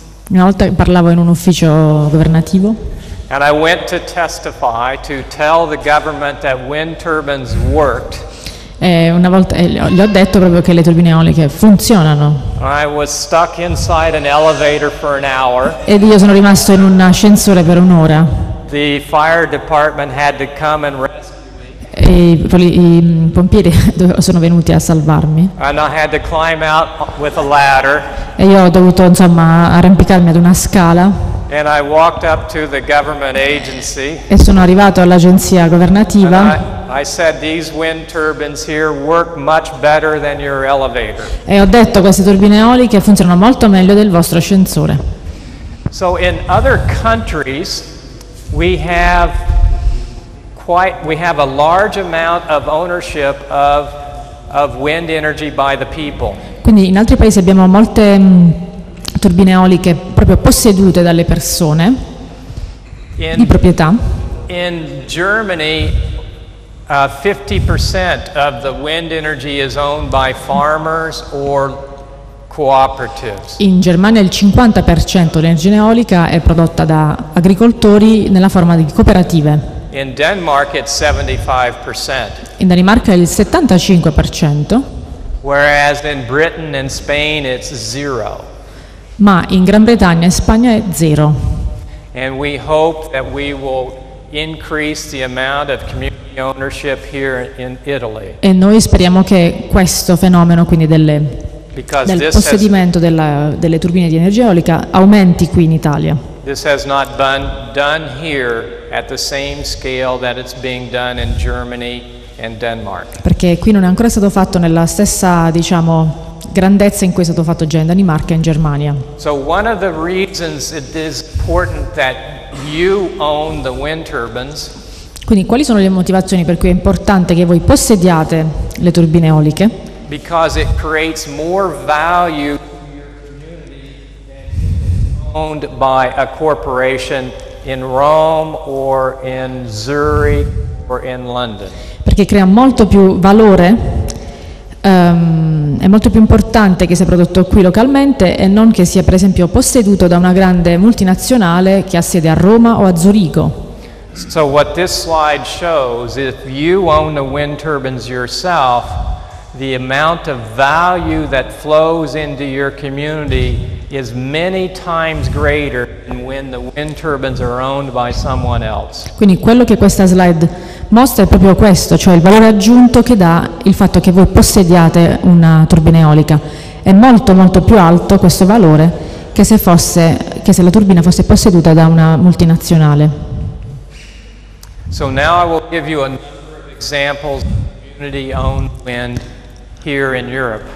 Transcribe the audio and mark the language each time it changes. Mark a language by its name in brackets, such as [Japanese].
[Italian] Una volta parlavo in un ufficio governativo. [English] And I went to testify to tell the government that wind turbines worked. [Italian] Una volta gli ho detto proprio che le turbine eoliche funzionano. [English] I was stuck inside an elevator for an hour. [Italian] Ed io sono rimasto in un ascensore per un'ora. [English] The fire department had to come and rescue. [Italian] I pompieri sono venuti a salvarmi. [English] And I had to climb out with a ladder. [Italian] E io ho dovuto, insomma, arrampicarmi ad una scala. [English] And I walked up to the government agency. [Italian] E sono arrivato all'agenzia governativa. [English] I said these wind turbines here work much better than your elevator. [Italian] E ho detto queste turbine eoliche funzionano molto meglio del vostro ascensore. [English] So in other countries we have a large amount of ownership of wind energy by the people. [Italian] Quindi in altri paesi abbiamo molte turbine eoliche proprio possedute dalle persone di proprietà. [English] In Germany 50% of the wind energy is owned by farmers or cooperatives. [Italian] In Germania il 50% dell'energia eolica è prodotta da agricoltori nella forma di cooperative. [English] In Denmark it's 75%. [Italian] In Danimarca è il 75%. [English] Whereas in Britain and Spain it's zero. [Italian] Ma in Gran Bretagna e Spagna è zero. [English] And we hope that we will increase the amount of community ownership here in Italy. [Italian] E noi speriamo che questo fenomeno, quindi delle, del possedimento della, delle turbine di energia eolica, aumenti qui in Italia. [English] This has not been done here at the same scale that it's being done in Germany and Denmark. [Italian] Perché qui non è ancora stato fatto nella stessa, diciamo, grandezza in cui è stato fatto già in Danimarca e in Germania. [English] So one of the reasons it is important that you own the wind turbines. [Italian] Quindi quali sono le motivazioni per cui è importante che voi possediate le turbine eoliche? [English] Because it creates more value to your community than owned by a corporation in Rome or in Zurich or in London. [Italian] Perché crea molto più valore, è molto più importante che sia prodotto qui localmente e non che sia per esempio posseduto da una grande multinazionale che ha sede a Roma o a Zurigo. [English] So what this slide shows, if you own the wind turbines yourself, the amount of value that flows into your community is many times greater than when the wind turbines are owned by someone else. [Italian] Quindi quello che questa slide mostra è proprio questo, cioè il valore aggiunto che dà il fatto che voi possediate una turbina eolica. È molto molto più alto questo valore che se fosse, che se la turbina fosse posseduta da una multinazionale. [English] So now I will give you a number of examples of community-owned wind here in Europe.